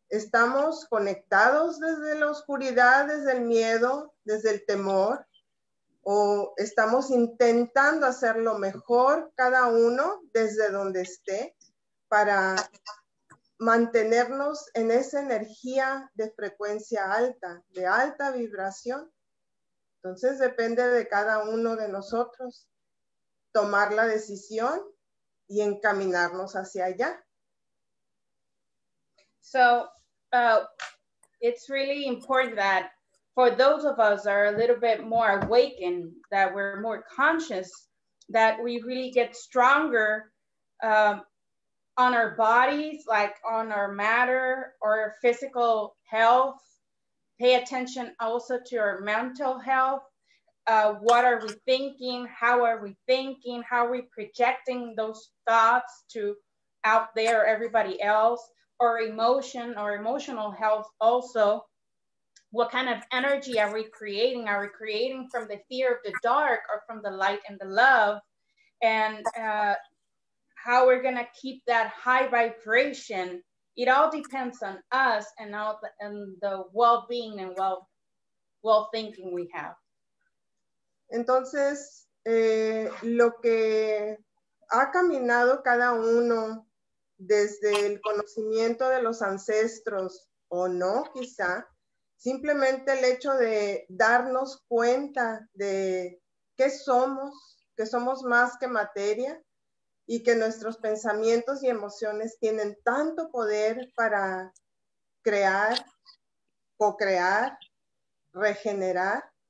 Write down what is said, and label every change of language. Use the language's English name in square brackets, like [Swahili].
[Spanish] Estamos conectados desde la oscuridad, desde el miedo, desde el temor, o estamos intentando hacer lo mejor cada uno desde donde esté para mantenernos en esa energía de frecuencia alta, de alta vibración. Entonces depende de cada uno de nosotros tomar la decisión y encaminarnos hacia allá. [English] So it's really important that for those of us that are a little bit more awakened, that we're more conscious, that we really get stronger on our bodies, like on our matter, our physical health. Pay attention also to our mental health. What are we thinking? How are we thinking? How are we projecting those thoughts to out there, everybody else? Or emotion or emotional health also. What kind of energy are we creating? Are we creating from the fear of the dark or from the light and the love? And how we're gonna keep that high vibration? It all depends on us and all the, and the well-being and well-thinking we have. [Spanish] Entonces, lo que ha caminado cada uno desde el conocimiento de los ancestros o no, quizá, simplemente el hecho de darnos cuenta de qué somos más que materia y que nuestros pensamientos y emociones tienen tanto poder para crear, co-crear, regenerar.